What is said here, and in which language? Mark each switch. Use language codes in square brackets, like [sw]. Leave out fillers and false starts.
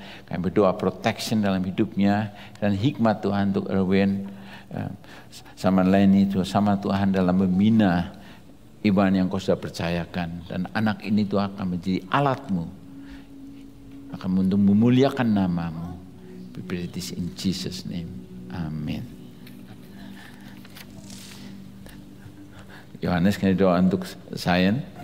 [id] Kami berdoa protection dalam hidupnya dan hikmat Tuhan untuk Erwin sama Lenny itu, sama Tuhan dalam membina iman yang kau sudah percayakan. Dan anak ini Tuhan akan menjadi alat-Mu, akan untuk memuliakan nama-Mu. [en] We pray this in Jesus' name. [id] Amin. Yohanes, kena doa untuk Zion.